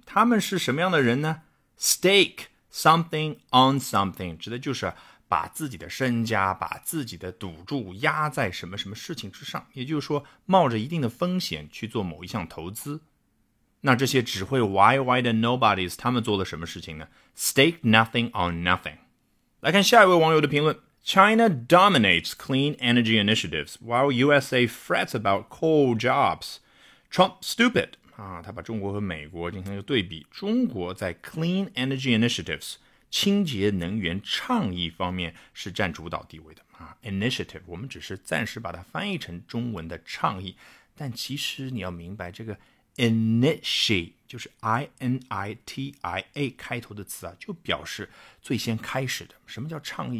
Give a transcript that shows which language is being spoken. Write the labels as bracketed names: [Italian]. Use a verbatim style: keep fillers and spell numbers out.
[Chinese] 他们是什么样的人呢？ [English] Stake something on something [Chinese] 指的就是把自己的身家，把自己的赌注压在什么什么事情之上，也就是说冒着一定的风险去做某一项投资。那这些只会 Y Y 的 nobodies 他们做了什么事情呢？ [English] Stake nothing on nothing。 [Chinese] 来看下一位网友的评论。 [English] China dominates clean energy initiatives while U S A frets about coal jobs. Trump stupid. [Chinese] 啊，他把中国和美国进行一个对比。中国在 [English] clean energy initiatives [Chinese] 清洁能源倡议方面是占主导地位的啊。 initiative 我们只是暂时把它翻译成中文的倡议，但其实你要明白这个 initiate 就是 I N I T I A 开头的词啊，就表示最先开始的。什么叫倡议？